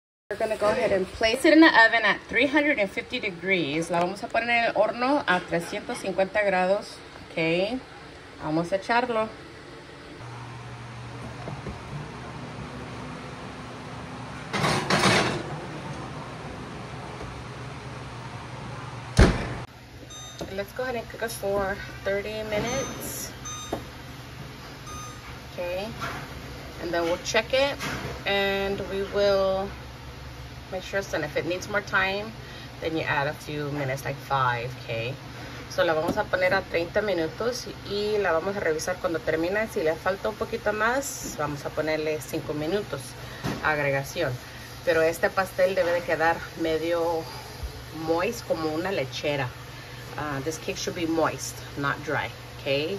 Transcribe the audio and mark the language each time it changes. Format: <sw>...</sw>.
<en>Our going to go ahead and place it in the oven at 350 degrees.</en> <es>La vamos a poner en el horno a 350 grados. Okay. Vamos a echarlo.</es> <en>Let's go ahead and cook us for 30 minutes. Okay. And then we'll check it and we will make sure. And if it needs more time, then you add a few minutes, like 5, okay?</en> <es>So la vamos a poner a 30 minutos y la vamos a revisar cuando termine. Si le falta un poquito más, vamos a ponerle 5 minutos agregación. Pero este pastel debe de quedar medio moist, como una lechera.</es> <en>This cake should be moist, not dry, okay?</en>